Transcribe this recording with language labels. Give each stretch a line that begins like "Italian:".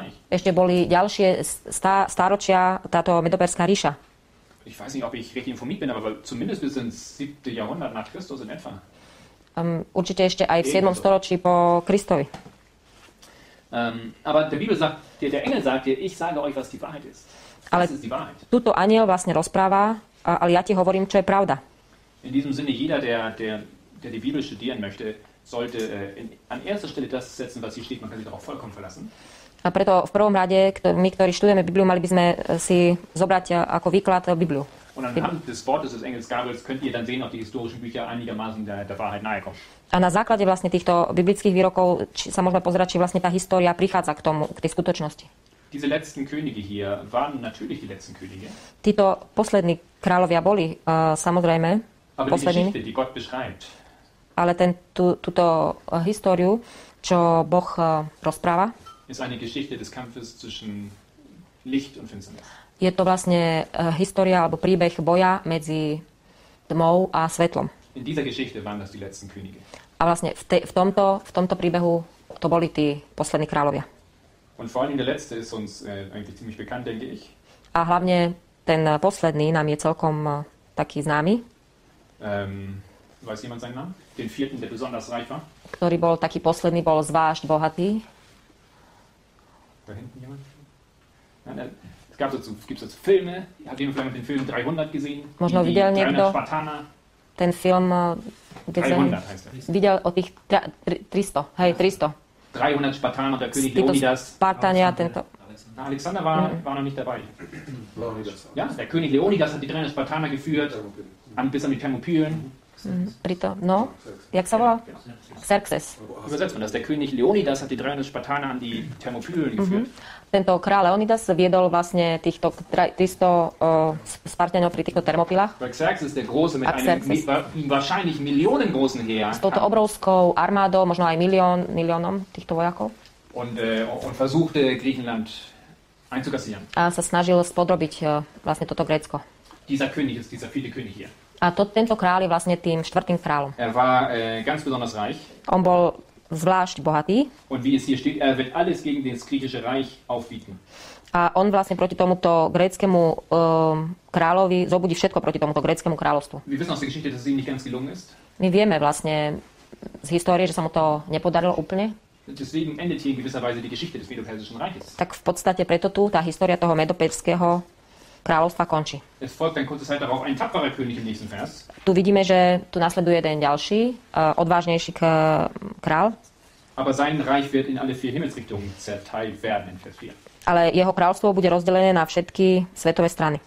Slovak: Ešte boli ďalšie stáročia táto Medoperská ríša.
German: Ich weiß nicht, ob ich richtig informiert bin, aber zumindest bis ins 7. Jahrhundert nach Christus in etwa.
Slovak: Určite ešte aj v 7. storočí po Kristovi.
German: Aber der Bibel sagt dir, der Engel sagt dir, ich sage euch, was die Wahrheit ist.
Slovak: Ale tuto anjel vlastne rozpráva, ale ja ti hovorím, čo je pravda.
German: In diesem Sinne, jeder, der die Bibel studieren möchte, sollte an erster Stelle das setzen, was hier steht. Man kann sich darauf vollkommen verlassen.
Slovak: A preto v prvom rade, my, ktorí študujeme Bibliu, mali by sme si zobrať ako výklad Bibliu.
German: Und anhand des Wortes des Engels Gabriels könnt ihr dann sehen, ob die historischen Bücher einigermaßen der Wahrheit nahe kommen.
Slovak: A na základe vlastne týchto biblických výrokov sa môžeme pozerať, či vlastne tá história prichádza k tomu, k tej skutočnosti.
German: Diese letzten Könige hier waren natürlich die letzten Könige.
Slovak: Títo poslední kráľovia boli, samozrejme,
German: aber
Slovak: poslední.
German: Die Geschichte, die Gott beschreibt.
Slovak: Ale túto históriu, čo Boh rozpráva,
German: ist eine Geschichte des Kampfes zwischen Licht und Finsternis.
Slovak: Je to vlastne história alebo príbeh boja medzi tmou a svetlom.
German: In dieser Geschichte waren das die letzten Könige.
Slovak: A vlastne v tomto príbehu to boli tí poslední kráľovia.
German: Und vor allem der letzte ist uns eigentlich ziemlich bekannt, denke ich.
Slovak: A hlavne ten posledný nám je celkom taký známy.
German: Weiß jemand seinen Namen? Den vierten, der besonders reich war?
Slovak: Ktorý bol taký posledný, bol zvlášť bohatý.
German: Da hinten jemand? Nein, nein. Gibt es dazu Filme? Habt ihr vielleicht den Film 300 gesehen?
Slovak: Možno videl niekto
German: 300 Spartaner?
Slovak: Ten film
German: 300 heißt er.
Slovak: Videl o tých 300. Hej, 300.
German: 300 Spartaner, der König Leonidas.
Slovak: Spartania, tento.
German: Alexander war noch nicht dabei. Ja, der König Leonidas hat die 300 Spartaner geführt, bis an die Thermopylen.
Slovak: No, jak sa volal? Xerxes.
German: Übersetzt man das. Der König Leonidas hat die 300 Spartaner an die Thermopylen geführt.
Slovak: Tento kráľ Leonidas viedol vlastne týchto 300 Spartanov pri týchto Termopilách.
German: Xerxes, der große, mit einem wahrscheinlich millionengroßen Heer.
Slovak: S touto obrovskou armádou, možno aj miliónom týchto vojakov.
German: Und versuchte Griechenland einzukassieren.
Slovak: A sa snažil spodrobiť vlastne toto Grécko.
German: Dieser König ist dieser viele König hier.
Slovak: A tento kráľ je vlastne tým štvrtým kráľom.
German: Er war ganz besonders reich.
Slovak: On bol zvlášť bohatý.
German: Und wie es hier steht, er wird alles gegen das griechische Reich aufbieten.
Slovak: A on vlastne proti tomuto gréckemu kráľovi zobudí všetko proti tomuto gréckemu kráľovstvu.
German: Wir wissen aus der Geschichte, dass es ihm nicht ganz gelungen ist.
Slovak: My vieme vlastne z histórie, že sa mu to nepodarilo úplne.
German: Deswegen endet hier in gewisser Weise die Geschichte des Medo-Persischen Reiches.
Slovak: Tak v podstate preto tu tá história toho Medo-Perského kráľovstva končí.
German: Es folgt ein kurzes Zeit darauf ein tapferer König im nächsten Vers.
Slovak: Tu vidíme, že tu nasleduje jeden ďalší, odvážnejší kráľ.
German: Aber sein Reich wird in alle vier Himmelsrichtungen zerteilt werden in Vers 4.
Slovak: Ale jeho kráľstvo bude rozdelené na všetky svetové strany.